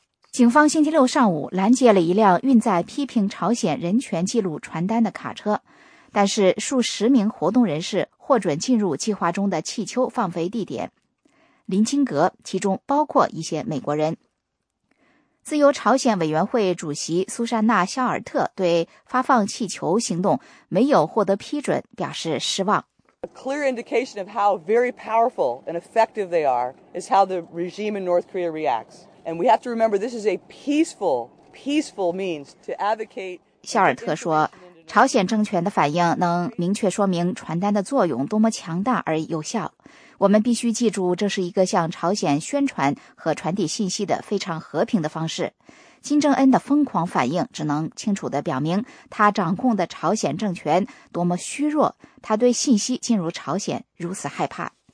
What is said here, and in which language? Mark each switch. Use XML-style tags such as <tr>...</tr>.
<zh>警方星期六上午拦截了一辆运载批评朝鲜人权记录传单的卡车，但是数十名活动人士获准进入计划中的气球放飞地点。林清格，其中包括一些美国人。自由朝鲜委员会主席苏珊娜·肖尔特对发放气球行动没有获得批准表示失望。</zh> <en>A clear indication of how very powerful and effective they are is how the regime in North Korea reacts. And we have to remember this is a peaceful means to advocate.</en> <zh>肖尔特说，朝鲜政权的反应能明确说明传单的作用多么强大而有效。我们必须记住，这是一个向朝鲜宣传和传递信息的非常和平的方式。金正恩的疯狂反应只能清楚地表明他掌控的朝鲜政权多么虚弱，他对信息进入朝鲜如此害怕。</zh>